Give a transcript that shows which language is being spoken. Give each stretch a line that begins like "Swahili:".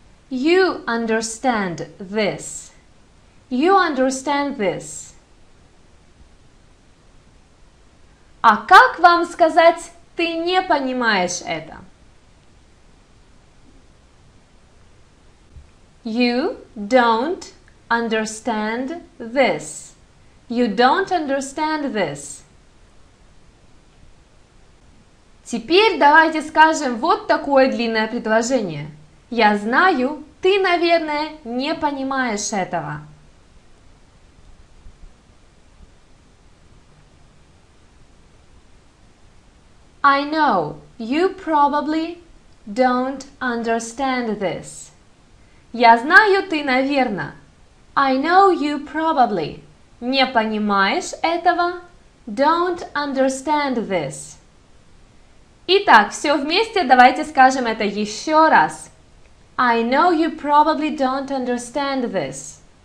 English: You understand this. You understand this.
Russian: А как вам сказать «ты не понимаешь это»?
English: You don't understand this. You don't understand this.
Russian: Теперь давайте скажем вот такое длинное предложение. Я знаю, ты, наверное, не понимаешь этого.
English: I know, you probably don't understand this.
Russian: Я знаю, ты, наверное.
English: I know you probably.
Russian: Не понимаешь этого?
English: Don't understand this.
Russian: Итак, все вместе давайте скажем это еще раз.
English: I know you probably don't understand this.